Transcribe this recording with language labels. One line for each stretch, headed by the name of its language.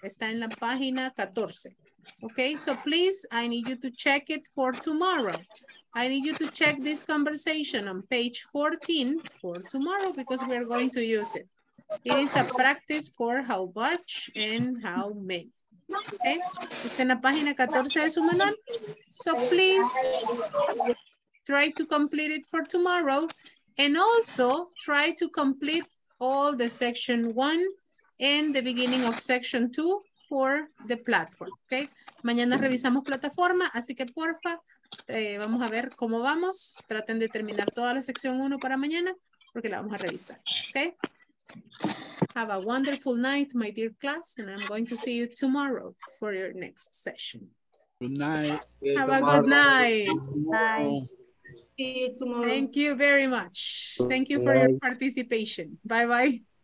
Spanish: Está en la página 14.
English: Okay, so please, I need you to check it for tomorrow. I need you to check this conversation on page 14 for tomorrow because we are going to use it. It is a practice for how much and how many.
Spanish: Okay, está en la página 14 de su manual.
English: So please try to complete it for tomorrow and also try to complete all the section one and the beginning of section two for the platform.
Spanish: Okay, mañana revisamos plataforma, así que porfa, vamos a ver cómo vamos. Traten de terminar toda la sección uno para mañana porque la vamos a revisar.
English: Okay. Have a wonderful night, my dear class, and I'm going to see you tomorrow for your next session. Good night. Have a good night. Bye. See you tomorrow. Thank you very much. Thank you for your participation. Bye-bye.